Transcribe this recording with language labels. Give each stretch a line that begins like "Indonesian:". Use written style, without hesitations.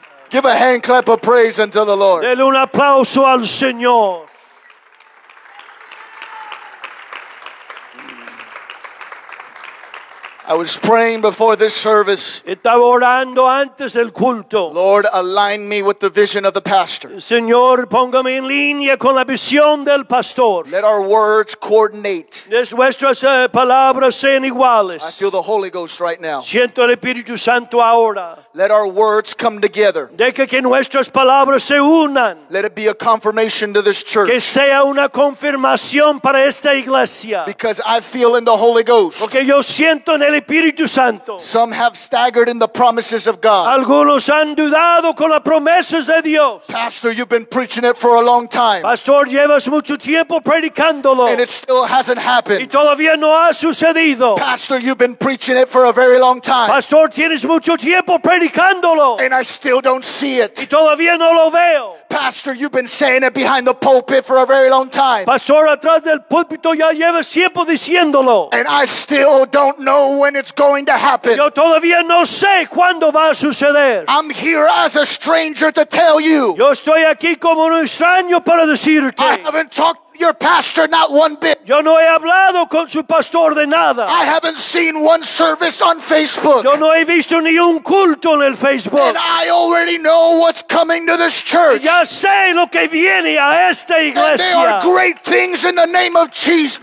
English: Give a hand clap of praise unto the Lord.
Spanish: Dele un aplauso al Señor.
English: I was praying before this service.
Spanish: Estaba orando antes del culto.
English: Lord, align me with the vision of the pastor.
Spanish: Señor, póngame en línea con la visión del pastor.
English: Let our words coordinate.
Spanish: Nuestras palabras sean iguales.
English: I feel the Holy Ghost right now.
Spanish: Siento el Espíritu Santo ahora.
English: Let our words come together.
Spanish: Deja que nuestras palabras se unan.
English: Let it be a confirmation to this church.
Spanish: Que sea una confirmación para esta iglesia.
English: Because I feel in the Holy Ghost.
Spanish: Porque yo siento en el Espíritu Santo.
English: Some have staggered in the promises of God.
Spanish: Algunos han dudado con las promesas de Dios.
English: Pastor, you've been preaching it for a long time.
Spanish: Pastor, llevas mucho tiempo predicándolo.
English: And it still hasn't happened.
Spanish: Y todavía no ha sucedido.
English: Pastor, you've been preaching it for a very long time.
Spanish: Pastor, tienes mucho tiempo predicándolo.
English: And I still don't see it.
Spanish: Y todavía no lo veo.
English: Pastor, you've been saying it behind the pulpit for a very long time.
Spanish: Pastor, atrás del púlpito ya llevas tiempo diciéndolo.
English: And I still don't know when it's going to happen.
Spanish: Yo todavía no sé cuándo va a suceder.
English: I'm here as a stranger to tell you.
Spanish: Yo estoy aquí como un extraño para decirte.
English: I haven't talked your pastor not one bit.
Spanish: Yo no he hablado con su pastor de nada.
English: I haven't seen one service on Facebook.
Spanish: Yo no he visto ni un culto en el Facebook.
English: And I already know what's coming to this church.
Spanish: Ya sé lo que viene a esta iglesia.
English: And there are great things in the name of Jesus.